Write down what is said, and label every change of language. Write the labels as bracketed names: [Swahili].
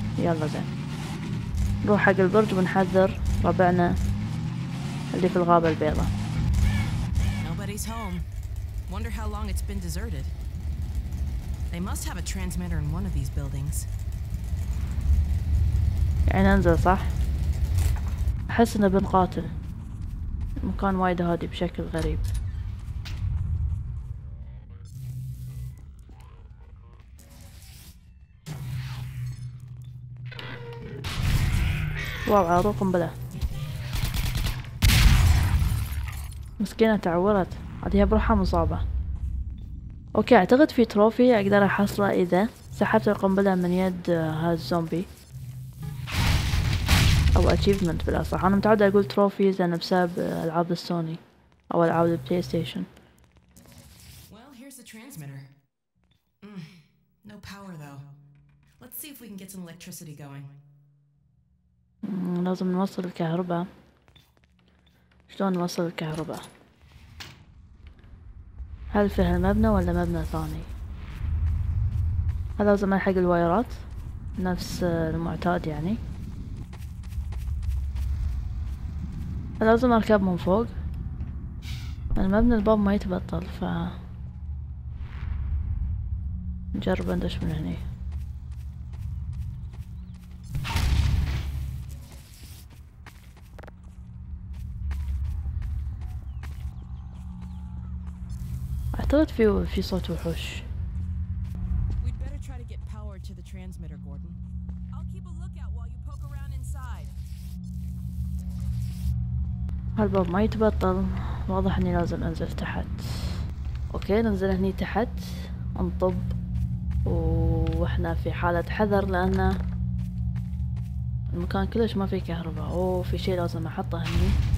[Arabic] يلا زين، نروح حق البرج ونحذر ربعنا اللي في الغابه البيضاء. [English] Nobody's home. Wonder how long it's been deserted. They must have a transmitter in one of these buildings. [Arabic] يعني ننزل صح؟ احس انه بنقاتل. مكان وايد هادي بشكل غريب. واو، عارو قنبلة مسكينة تعورت، عاديها بروحها مصابة. اوكي، اعتقد في تروفي اقدر احصله اذا سحبت القنبلة من يد هالزومبي، او achievement بلا صح. انا متعودة اقول trophies انا بسبب العاب السوني او العاب البلاي ستيشن. [English] Well, here's the transmitter. No power though. Let's see if we can get some electricity going. [Arabic] لازم نوصل الكهرباء. شلون نوصل الكهرباء؟ هل في هالمبنى ولا مبنى ثاني؟ هل لازم الحق الوايرات نفس المعتاد يعني؟ لازم اركب من فوق المبنى، الباب ما يتبطل، ف نجرب ندش من هني. اعتقد في صوت وحوش. [English] We'd better try to get power to the transmitter, Gordon. I'll keep a lookout while you poke around inside. [Arabic] هالباب ما يتبطل، واضح اني لازم انزل تحت. اوكي، ننزل هني تحت انطب واحنا في حالة حذر، لان المكان كلش ما في كهرباء. اوه، في شي لازم احطه هني.